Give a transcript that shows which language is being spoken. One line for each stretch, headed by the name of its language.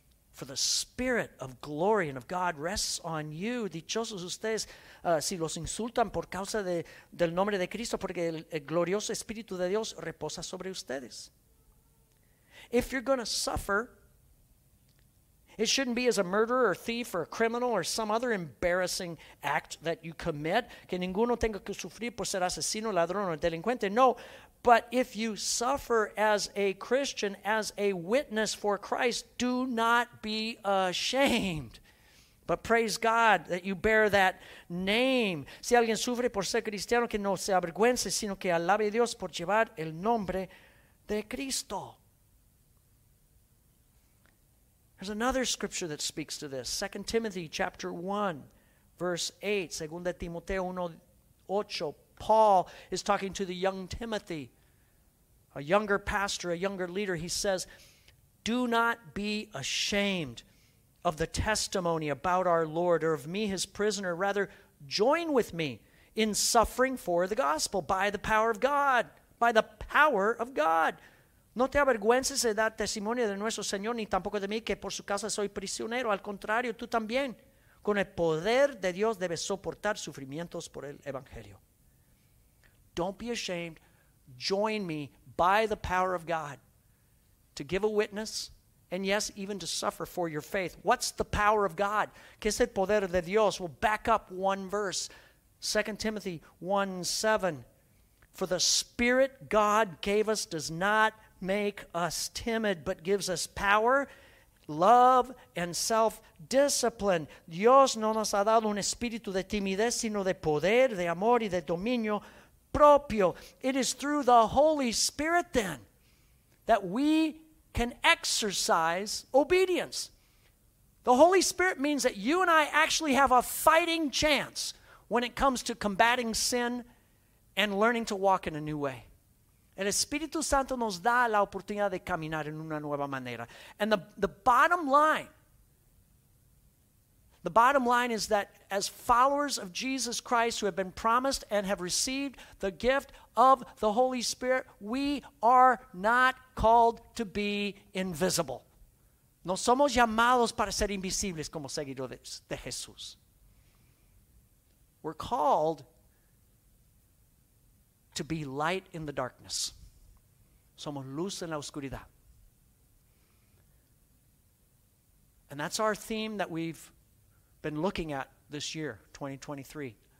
English: For the spirit of glory and of God rests on you.
Spanish: Dichosos ustedes si los insultan por causa del nombre de Cristo, porque el glorioso Espíritu de Dios reposa sobre ustedes.
English: If you're going to suffer, it shouldn't be as a murderer or thief or a criminal or some other embarrassing act that you commit.
Spanish: Que ninguno tenga que sufrir por ser asesino, ladrón, o delincuente.
English: No, but if you suffer as a Christian, as a witness for Christ, do not be ashamed. But praise God that you bear that name.
Spanish: Si alguien sufre por ser cristiano, que no se avergüence, sino que alabe a Dios por llevar el nombre de Cristo.
English: There's another scripture that speaks to this. 2 Timothy chapter 1, verse 8.
Spanish: Segunda Timoteo 1:8.
English: Paul is talking to the young Timothy, a younger pastor, a younger leader. He says, do not be ashamed of the testimony about our Lord or of me, his prisoner. Rather, join with me in suffering for the gospel by the power of God. By the power of God.
Spanish: No te avergüences de dar testimonio de nuestro Señor, ni tampoco de mí, que por su causa soy prisionero. Al contrario, tú también, con el poder de Dios, debes soportar sufrimientos por el Evangelio.
English: Don't be ashamed. Join me by the power of God to give a witness, and yes, even to suffer for your faith. What's the power of God?
Spanish: ¿Qué es el poder de Dios?
English: We'll back up one verse, 2 Timothy 1:7. For the Spirit God gave us does not make us timid, but gives us power, love, and self-discipline.
Spanish: Dios no nos ha dado un espíritu de timidez, sino de poder, de amor, y de dominio propio.
English: It is through the Holy Spirit, then, that we can exercise obedience. The Holy Spirit means that you and I actually have a fighting chance when it comes to combating sin and learning to walk in a new way.
Spanish: El Espíritu Santo nos da la oportunidad de caminar en una nueva manera.
English: And the bottom line is that as followers of Jesus Christ who have been promised and have received the gift of the Holy Spirit, we are not called to be invisible.
Spanish: No somos llamados para ser invisibles como seguidores de Jesús.
English: We're called to be light in the darkness.
Spanish: Somos luz en la oscuridad.
English: And that's our theme that we've been looking at this year, 2023.